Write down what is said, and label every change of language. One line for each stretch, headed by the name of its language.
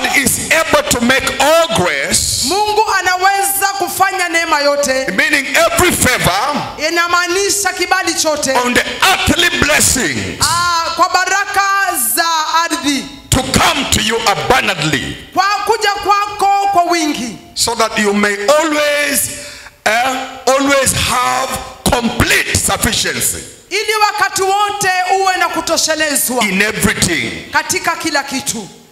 English: God is able to make all grace.
Swahili: Mungu anaweza kufanya neema yote.
English: Meaning every favor.
Swahili: Inamaanisha kibali chote.
English: On the earthly blessings.
Swahili: Kwa baraka za ardhi.
English: To come to you abundantly.
Swahili: Kwa kuja kwako kwa wingi.
English: So that you may always always have complete sufficiency.
Swahili: Ili wakati wote uwe na kutoshelezwa.
English: In everything.
Swahili: Katika kila kitu.